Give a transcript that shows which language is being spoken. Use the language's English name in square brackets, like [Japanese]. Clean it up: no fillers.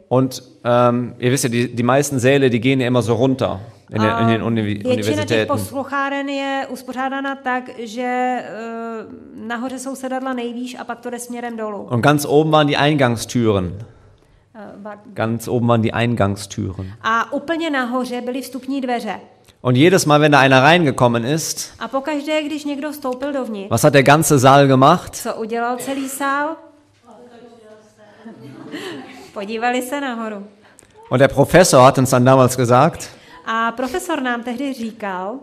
[German] Und ihr wisst ja, die meisten Säle, die gehen ja immer so runter in den Universitäten. [Czech] Většina těch poslucháren je uspořádána tak, že nahoře jsou sedadla nejvýš a pak to jde směrem dolů. [German] Und ganz oben waren die Eingangstüren. Ganz oben waren die Eingangstüren. [Czech] A úplně nahoře byly vstupní dveře. [German] Und jedes Mal, wenn da einer reingekommen ist, [Czech] a pokaždé, když někdo vstoupil dovnitř, [German] was hat der ganze Saal gemacht? [Czech] Co udělal celý sál? Podívali se nahoru. [German] Und der Professor hat uns dann damals gesagt, [Czech] a profesor nám tehdy říkal,